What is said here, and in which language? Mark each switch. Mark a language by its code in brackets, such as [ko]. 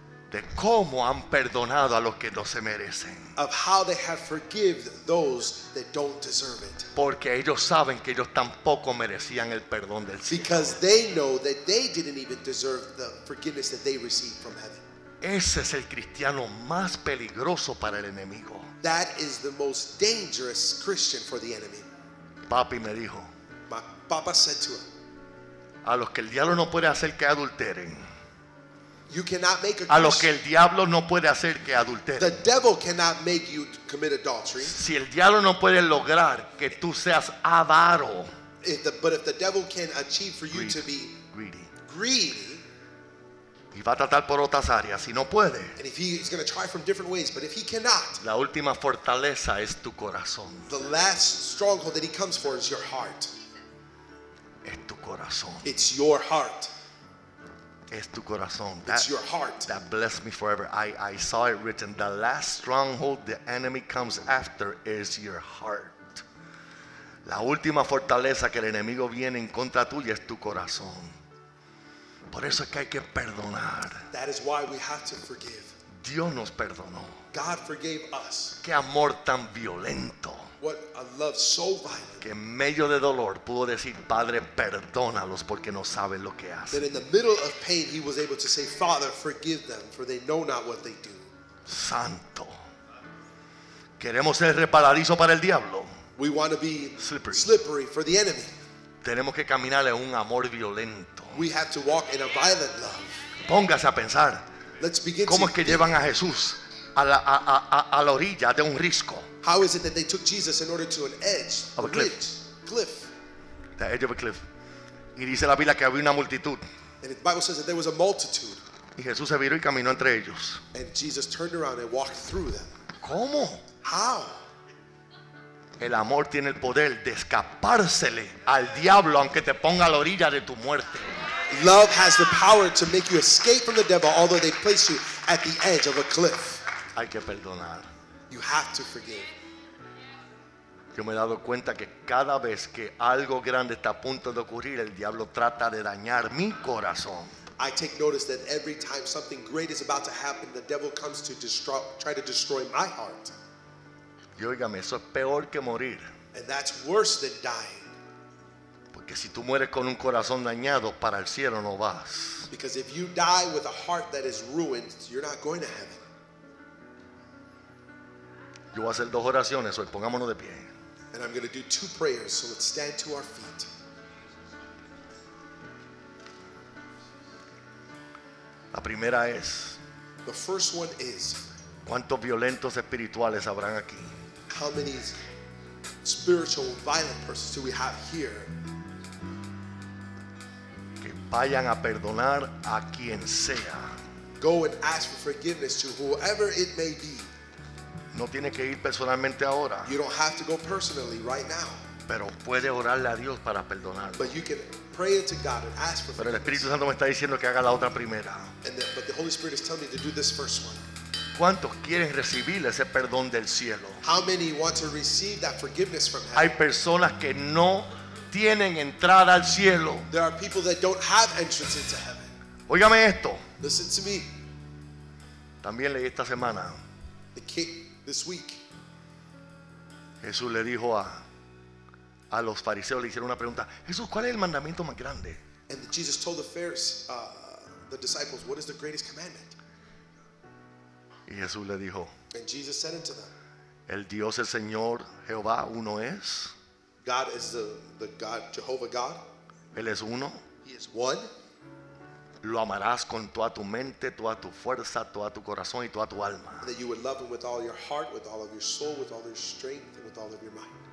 [es] De cómo han perdonado a los que no se merecen. [en] Of how they have forgiven those that don't deserve it. [es] Porque ellos saben que ellos tampoco merecían el perdón del cielo. [en] Because they know that they didn't even deserve the forgiveness that they received from heaven. [es] Ese es el cristiano más peligroso para el enemigo. [en] That is the most dangerous Christian for the enemy. [es] Papi me dijo. [en] My papa said to him. [es] A los que el diablo no puede hacer que adulteren. [en] You cannot make a [es] Christian. A los que el diablo no puede hacer que adulteren. [en] The devil cannot make you commit adultery. [es] Si el diablo no puede lograr que tú seas avaro. [en] But if the devil can achieve for you greedy, to be greedy. Greedy. [es] Y va a tratar por otras áreas si no puede. [en] And if he's going to try from different ways, but if he cannot. [es] La última fortaleza es tu corazón. [en] The last stronghold that he comes for is your heart. [es] Es tu corazón. [en] It's your heart. [es] Es tu corazón. [en] It's your heart. That blessed me forever. I saw it written. The last stronghold the enemy comes after is your heart. [es] La última fortaleza que el enemigo viene en contra tuya es tu corazón. Por eso es que hay que perdonar. [en] That is why we have to forgive. [es] Dios nos perdonó. [en] God forgave us. [es] Qué amor tan violento. [en] What a love so violent. [es] Que en medio de dolor pudo decir, Padre, perdónalos porque no saben lo que hacen. [en] That in the middle of pain he was able to say, Father, forgive them for they know not what they do. [es] Santo. Queremos ser resbaladizo para el diablo. [en] We want to be slippery for the enemy. [es] Tenemos que caminar en un amor violento. [en] We have to walk in a violent love. [es] Póngase a pensar. [en] Let's begin. [es] ¿Cómo es que llevan a Jesús a la orilla de un risco? [en] How is it that they took Jesus in order to an edge of a cliff? Cliff. The edge of a cliff. [es] Y dice la Biblia que había una multitud. [en] And the Bible says that there was a multitude. [es] Y Jesús se viró y caminó entre ellos. [en] And Jesus turned around and walked through them. [es] ¿Cómo? [en] How? [es] El amor tiene el poder de escapársele al diablo aunque te ponga a la orilla de tu muerte. [en] Love has the power to make you escape from the devil although they place you at the edge of a cliff. [es] Hay que perdonar. [en] You have to forgive. [es] Yo me he dado cuenta que cada vez que algo grande está a punto de ocurrir, el diablo trata de dañar mi corazón. [en] I take notice that every time something great is about to happen, the devil comes to try to destroy my heart. [es] Y óigame, eso es peor que morir. [en] And that's worse than dying. [es] Porque si tú mueres con un corazón dañado, para el cielo no vas. [en] Because if you die with a heart that is ruined, you're not going to heaven. [es] Yo voy a hacer dos oraciones, hoy pongámonos de pie. [en] And I'm going to do two prayers, so let's stand to our feet. [es] La primera es, [en] the first one is, [es] ¿cuántos violentos espirituales habrán aquí? [en] How many spiritual violent persons do we have here? [es] Que vayan a perdonar a quien sea. [en] Go and ask for forgiveness to whoever it may be. [es] No tiene que ir personalmente ahora. [en] You don't have to go personally right now. [es] Pero puede orarle a Dios para perdonarlo. [en] But you can pray it to God and ask for. [es] Pero el Espíritu Santo me está diciendo que haga la otra primera. [en] But the Holy Spirit is telling me to do this first one. [es] ¿Cuántos quieren recibir ese perdón del cielo? [en] How many want to receive that forgiveness from heaven? [es] Hay personas que no tienen entrada al cielo. [en] There are people that don't have entrance into heaven. [es] Óigame esto. [en] Listen to me. [es] También leí esta semana. [en] This week. [es] Jesús le dijo a los fariseos, le hicieron una pregunta. Jesús, ¿cuál es el mandamiento más grande? [en] And Jesus told the Pharisees, the disciples, what is the greatest commandment? [es] Y Jesús le dijo, [en] and Jesus said unto them, [es] el Dios, el Señor, Jehová, uno es. [en] God is the God, Jehovah God. [es] Él es uno. [en] He is one. [es] Lo amarás con toda tu mente, toda tu fuerza, toda tu corazón y toda tu alma. [en] And that you would love him with all your heart, with all of your soul, with all your strength, and with all of your mind.